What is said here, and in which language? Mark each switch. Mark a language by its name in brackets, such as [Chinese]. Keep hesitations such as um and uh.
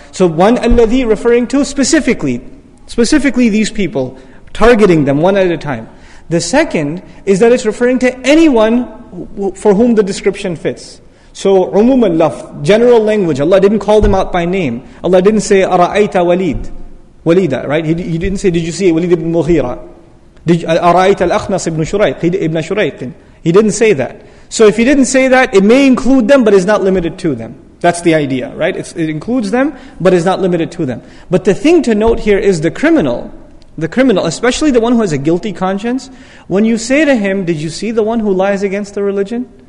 [English] So one alladhi referring to specifically, specifically these people, targeting them one at a time. The second is that it's referring to anyone for whom the description fits. So umum al general language. Allah didn't call them out by name. Allah didn't say ara'aita walid. Walida, right? He, he didn't say, did you see Walid ibn Mughira? [Arabic] أرأيت الأخنص ابن شريق ابن شريق [English] He didn't say that. So if he didn't say that, it may include them, but is not limited to them. That's the idea, right? It's, it includes them, but is not limited to them. But the thing to note here is the criminal, the criminal, especially the one who has a guilty conscience, when you say to him, Did you see the one who lies against the religion?